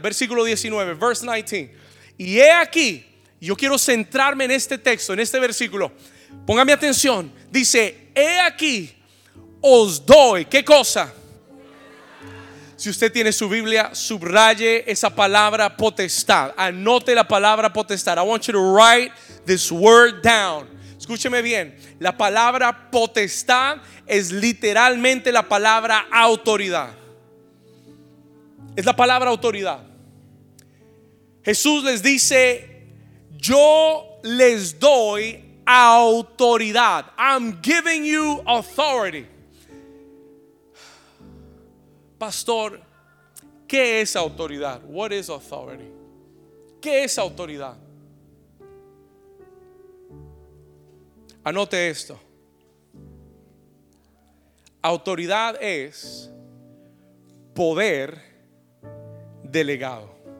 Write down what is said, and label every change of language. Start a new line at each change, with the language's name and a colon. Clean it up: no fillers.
Spanish: Versículo 19,
English: verse 19.
Spanish: Y he aquí, yo quiero centrarme en este texto, en este versículo. Póngame atención. Dice: he aquí, os doy. ¿Qué cosa? Si usted tiene su Biblia, subraye esa palabra potestad. Anote la palabra potestad.
English: I want you to write this word down.
Spanish: Escúcheme bien. La palabra potestad es literalmente la palabra autoridad. Es la palabra autoridad. Jesús les dice: yo les doy autoridad.
English: I'm giving you authority.
Spanish: Pastor, ¿qué es autoridad?
English: What is authority?
Spanish: ¿Qué es autoridad? Anote esto. Autoridad es poder delegado.